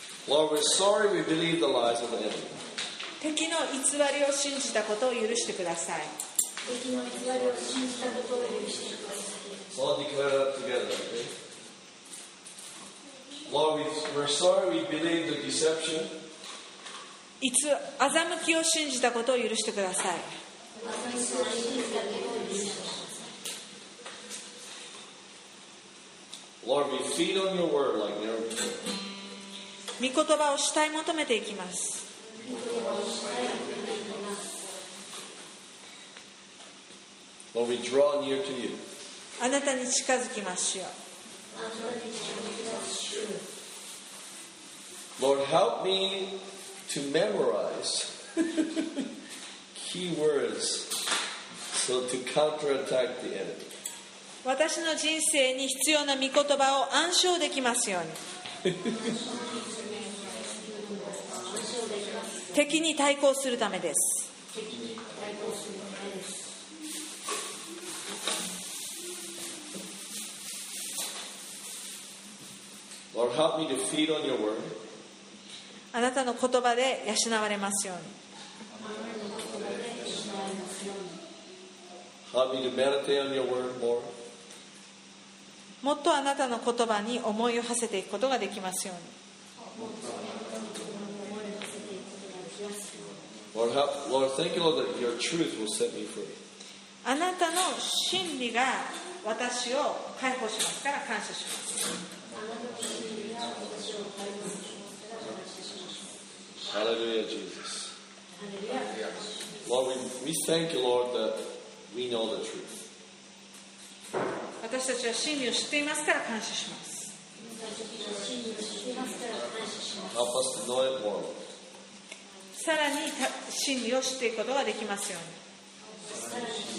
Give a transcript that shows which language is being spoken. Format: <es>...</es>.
<en>Lord, we're sorry we believe the lies of the enemy.</en> <ja>敵の偽りを信じたことを許してください。敵の偽りを信じたことを許してください。</ja> <en>Lord, declare that together, okay? Lord, we're sorry we believe the deception.</en> <ja>欺きを信じたことを許してください。</ja> <en>Lord, we feed on your word like never before.</en> <ja>御言葉を主体求めていきます。</ja> <en>Lord, we draw near to you.</en> <ja>あなたに近づきましょう。</ja> <en>Lord, help me to memorize key words so to counterattack the enemy.</en> <ja>私の人生に必要な御言葉を暗唱できますように敵に対抗するためです。</ja> <en>Lord, help me to feed on your word.</en> <ja>あなたの言葉で養われますように。</ja> <en>Help me to meditate on your word more.</en> <ja>もっとあなたの言葉に思いを馳せていくことができますように。</ja> <en>Lord, help, Lord, thank you, Lord, that your truth will set me free.</en> <ja>あなたの真理が私を解放しますから感謝します。</ja> <en>Hallelujah, Jesus. Lord, we thank you, Lord, that we know the truth.</en> <ja>私たちは真理を知っていますから感謝します。</ja> <en>Help us to know it more.</en> <ja>さらに真理を知っていくことができますように。</ja>